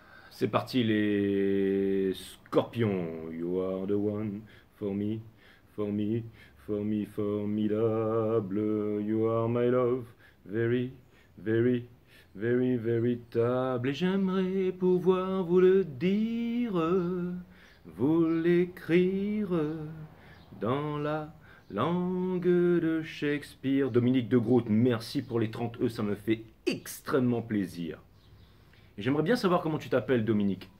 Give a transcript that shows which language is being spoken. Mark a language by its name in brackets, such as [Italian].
[French] C'est parti les scorpions. [English] You are the one for me, for me, for me, formidable. You are my love, very, very, very, véritable. [French] Et j'aimerais pouvoir vous le dire, vous l'écrire dans la langue de Shakespeare. Dominique de Groot, merci pour les 30 E, ça me fait extrêmement plaisir. J'aimerais bien savoir comment tu t'appelles, Dominique.